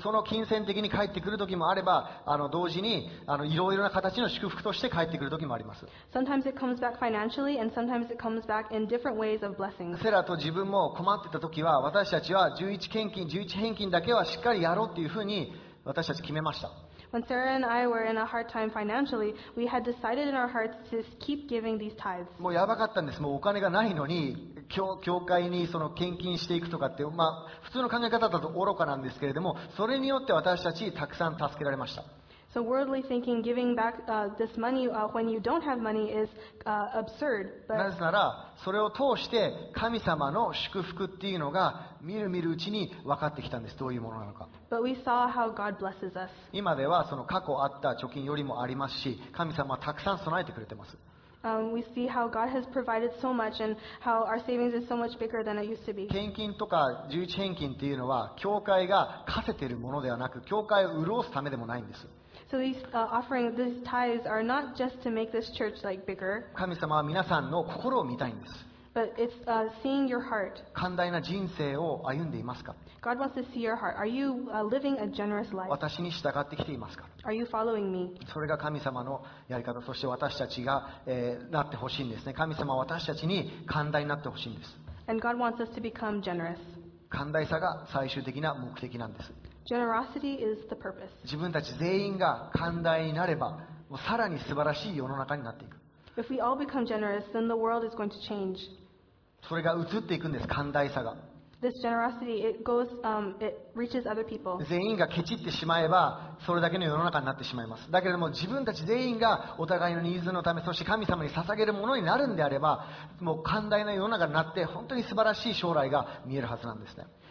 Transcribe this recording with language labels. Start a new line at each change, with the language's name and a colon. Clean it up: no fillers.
Japanese: その金銭的に返ってくる時もあれば、同時にいろいろな形の祝福として返ってくる時もあります。
English: Sometimes it comes back financially and sometimes it comes back in different ways of blessings.
Japanese: セラと自分も困ってた時は、私たちは11献金、11返金だけはしっかりやろうっていうふうに私たち決めました。
English: When Sarah and I were in a hard time financially, we had decided in our hearts to keep giving these tithes.
Japanese: もうやばかったんです。もうお金がないのに、教会にその献金していくとかって、まあ普通の考え方だと愚かなんですけれども、それによって私たちたくさん助けられました。
English: So worldly thinking, giving back this money when you don't have money is absurd. But...
Japanese: なぜなら、それを通して神様の祝福っていうのが見る見るうちに分かってきたんです。どういうものなのか。
English: But we saw how God blesses us.
Japanese: 今ではその過去あった貯金よりもありますし、神様はたくさん備えてくれてます。
English: We see how God has provided so much and how our savings is so much bigger than it used to be.
Japanese: 献金とか11返金っていうのは教会が課せているものではなく、教会を潤すためでもないんです。
English: So these offering these tithes are not just to make this church like bigger.
Japanese: 神様は皆さんの心を見たいんです。
English: But it's seeing your heart.
Japanese: 寛大な人生を歩んでいますか。
English: God wants to see your heart. Are you living a generous life?
Japanese: 私に従ってきていますか。
English: Are you following me?
Japanese: それが神様のやり方、そして私たちが、なってほしいんですね。神様は私たちに寛大になってほしいんです。
English: And God wants us to become generous.
Japanese: 寛大さが最終的な目的なんです。
English: Generosity is the purpose.
Japanese: 自分たち全員が寛大になれば、もうさらに素晴らしい世の中になっていく。
English: If we all become generous, then the world is going to change.
Japanese: それが移っていくんです、寛大さが。
English: This generosity, it goes, it reaches other people.
Japanese: 全員がケチってしまえば、それだけの世の中になってしまいます。だけれども、自分たち全員がお互いのニーズのため、そして神様に捧げるものになるんであれば、もう寛大な世の中になって、本当に素晴らしい将来が見えるはずなんですね。